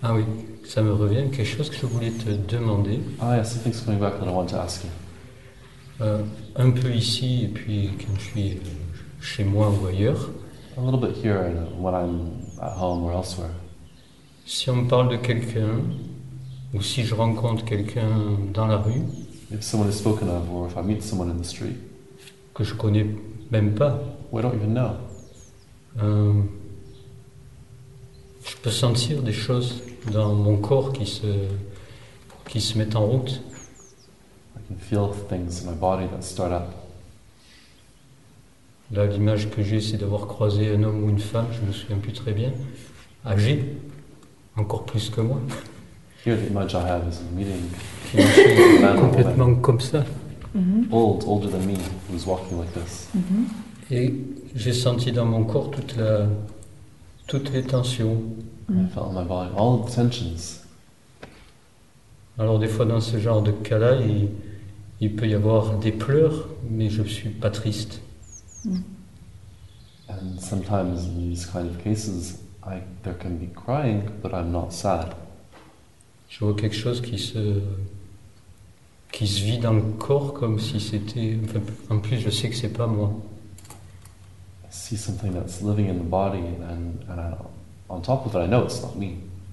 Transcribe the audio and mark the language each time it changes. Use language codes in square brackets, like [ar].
[fr] Ah oui, ça me revient quelque chose que je voulais te demander. [en] Ah yes, something's coming back that I want to ask you. [fr] Un peu ici et puis quand je suis chez moi ou ailleurs. [en] A little bit here and when I'm at home or elsewhere. [fr] Si on me parle de quelqu'un, ou si je rencontre quelqu'un dans la rue, [en] if someone is spoken of, or if I meet someone in the street, [fr] que je connais même pas, [en] I don't even know, [fr] je peux sentir des choses dans mon corps qui se mettent en route. [en] I can feel things in my body that start up. [fr] Là, l'image que j'ai, c'est d'avoir croisé un homme ou une femme, je ne me souviens plus très bien, âgé. Encore plus que moi. [en] Here the image I have is a meeting. [fr] Complètement comme ça. Mm-hmm. [en] Older than me, who was walking like this. Mm-hmm. [fr] Et j'ai senti dans mon corps toutes les tensions. [en] I felt in my body all the tensions. [fr] Alors des fois dans ce genre de cas-là, il peut y avoir des pleurs, mais je suis pas triste. [en] Mm. And sometimes in these kind of cases. There can be crying, but I'm not sad. [fr] Je vois quelque chose qui se vit dans le corps comme si c'était. Enfin, en plus, je sais que c'est pas moi. [en] I see something that's living in the body, and on top of it, I know it's not me.